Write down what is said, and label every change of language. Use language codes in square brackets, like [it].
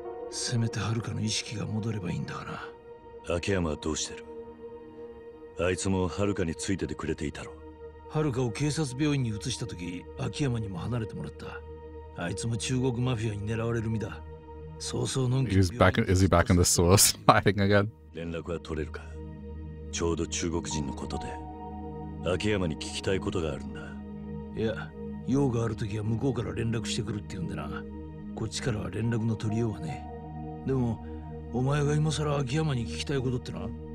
[ja] せめてハルカの意識が戻ればいいんだがな。秋山はどうしてる？あいつも遥かについててくれていたろ。遥かを警察病院に移したとき、秋山にも離れてもらった。あいつも中国マフィアに狙われる身だ。そうそうのんき。 [en] Is he back in the source fighting again? [ja] 連絡は取れるか？ちょうど中国人のことで、秋山に聞きたいことがあるんだ。いや、用があるときは向こうから連絡してくるって言うんでな。こっちからは連絡の取りようはねえ。でも、お前が今さら秋山に聞きたいことってな。